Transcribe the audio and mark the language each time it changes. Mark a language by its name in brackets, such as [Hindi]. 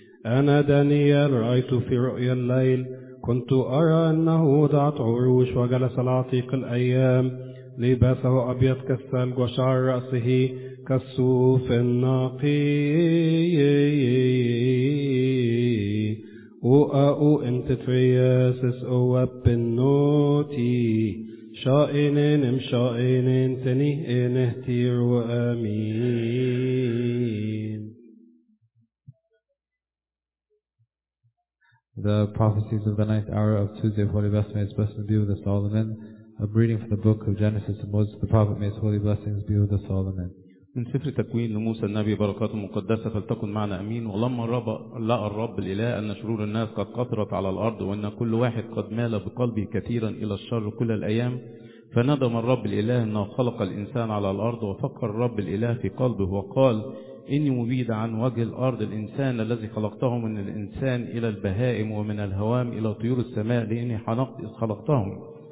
[Arabic] أنا دانيال رأيت في رؤيا الليل كنت أرى أنه وضعت عروش وجلس العتيق الأيام لباسه أبيض كالثلج وشعر رأسه كالصوف النقي وأو أنت ترياسس أو بنوتي شائنين مشائنين تنيه نهتير وآمين. [English] The prophecies of the ninth hour of Tuesday of Holy Blessing, may His blessings be with us all. Amen. A reading from the book of Genesis of Moses the prophet, may His holy blessings be with us all. Amen. [Arabic] من سفر تكوين لموسى النبي بركات مقدسة فلتكن معنا أمين. ولما لقى الرب الإله أن شرور الناس قد كثرت على الأرض وأن كل واحد قد مال بقلبه كثيرا إلى الشر كل الأيام فندم الرب الإله أنه خلق الإنسان على الأرض وفكر الرب الإله في قلبه وقال إني مبيد عن وجه الأرض الإنسان الذي خلقته من الإنسان إلى البهائم ومن الهوام إلى طيور السماء لإني حنقت إذ خلقتهم.